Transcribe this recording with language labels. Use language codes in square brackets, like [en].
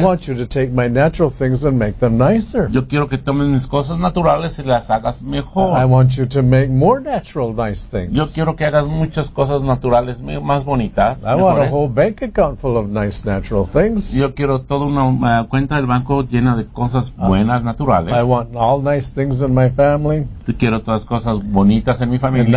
[en] I want you to take my natural things and make them nicer. [es] Yo quiero que tomes mis cosas naturales y las hagas mejor. [en] I want you to make more natural nice things. [es] Yo quiero que hagas muchas cosas naturales más bonitas. [en] I want a whole bank account full of nice natural things. [es] Yo quiero toda una cuenta del banco llena de cosas buenas naturales. [en] I want all nice things in my family. [es] Yo quiero todas cosas bonitas en mi familia.